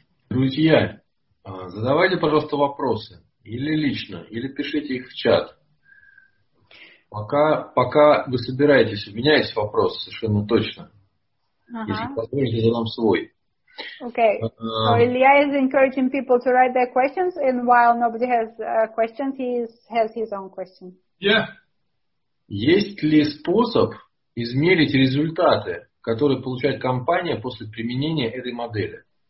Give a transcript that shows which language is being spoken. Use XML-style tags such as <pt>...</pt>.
<ru>Друзья, задавайте, пожалуйста, вопросы. Или лично, или пишите их в чат. Пока вы собираетесь, у меня есть вопрос совершенно точно. Uh-huh. Если позволите, задам свой.</ru> <en>Okay. So Ilya is encouraging people to write their questions, and while nobody has questions, he has his own question. Yeah.</en> <ru>Есть ли способ измерить результаты, которые получает компания после применения этой модели?</ru>